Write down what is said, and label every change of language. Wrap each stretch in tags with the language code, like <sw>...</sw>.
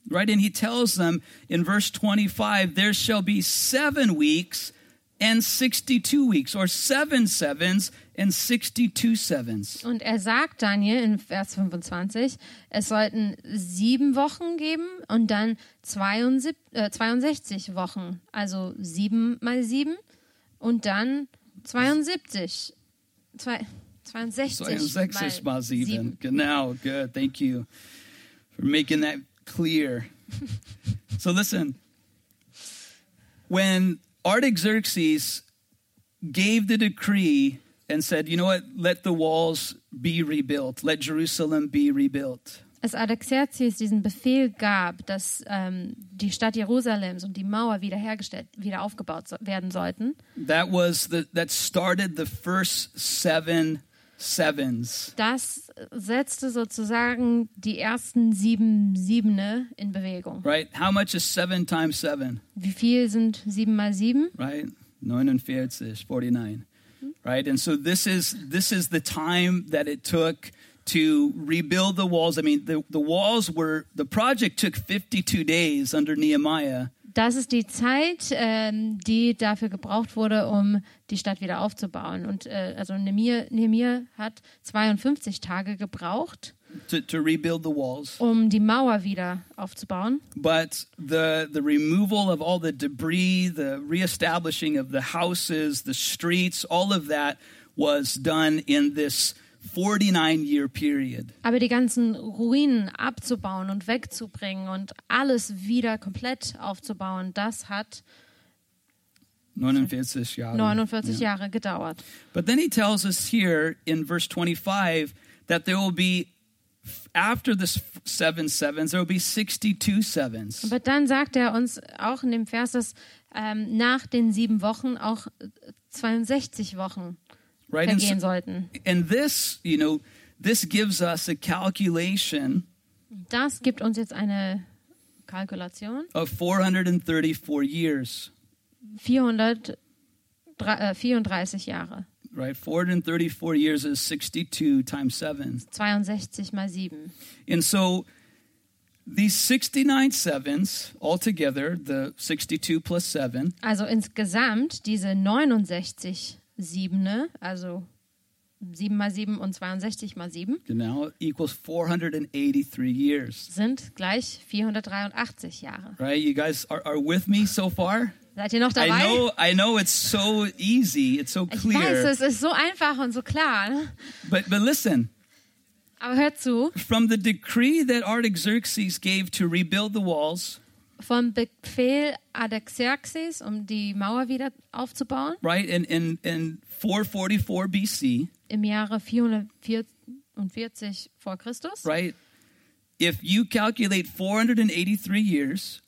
<en>Right, and he tells them in verse 25, there shall be 7 weeks and 62 weeks, or seven sevens and 62 sevens.</en> <de>Und er sagt Daniel in Vers 25, es sollten 7 Wochen geben und dann 62 Wochen, also 7 mal 7 und dann 72. 62 mal 7. Genau,</de> <en>good. Thank you for making that clear. So listen, when Artaxerxes gave the decree and said, you know what, let the walls be rebuilt, let Jerusalem be rebuilt.</en> <de>Als Artaxerxes diesen Befehl gab, dass die Stadt Jerusalems und die Mauer wiederhergestellt, wieder aufgebaut werden sollten.</de> <en>That was that started the first seven sevens.</en> <de>Das setzte sozusagen die ersten sieben Siebene in Bewegung.</de> <en>Right? How much is 7 times 7?</en> <de>Wie viel sind 7 mal 7?</de> <en>Right? 49. Right? And so this is the time that it took to rebuild the walls. I mean, the walls were, the project took 52 days under Nehemiah.</en> <de>Das ist die Zeit, die dafür gebraucht wurde, um die Stadt wieder aufzubauen. Und also Nehemiah hat 52 Tage gebraucht,</de> <en>to rebuild the walls.</en> <de>Um die Mauer wieder aufzubauen.</de> <en>But the removal of all the debris, the reestablishing of the houses, the streets, all of that was done in this 49-year period.</en> <de>Aber die ganzen Ruinen abzubauen und wegzubringen und alles wieder komplett aufzubauen, das hat 49 Jahre gedauert.</de> <en>But then he tells us here in verse 25 that there will be after the seven sevens, there will be 62 sevens.</en> <de>Aber dann sagt er uns auch in dem Vers, dass nach den 7 Wochen auch 62 Wochen</de> <en>right,</en> <de>vergehen sollten.</de> <en>And this, you know, this gives us a calculation.</en> <de>Das gibt uns jetzt eine Kalkulation.</de> <en>Of 434 years.</en> <de>434 Jahre.</de> <en>Right, 434 years is 62 times 7.</en> <de>62 mal 7.</de> <en>And so these 69 sevens altogether, the 62 plus 7.</en> <de>Also insgesamt diese 69 Siebene, also 7 mal 7 und 62 mal 7. Genau,</de> <en>equals 483 years.</en> <de>Sind gleich 483 Jahre.</de> <en>Right, you guys are with me so far?</en> <de>Seid ihr noch dabei?</de> <en>I know it's so easy, it's so clear.</en> <de>Ich weiß, es ist so einfach und so klar.</de> <en>But listen.</en> <de>Aber hört zu.</de> <en>From the decree that Artaxerxes gave to rebuild the walls.</en> <de>Vom Befehl Artaxerxes, um die Mauer wieder aufzubauen.</de> <en>Right, in 444 BC.</en> <de>Im Jahre 444 vor Christus.</de> <en>Right. If you calculate 483 years.</en>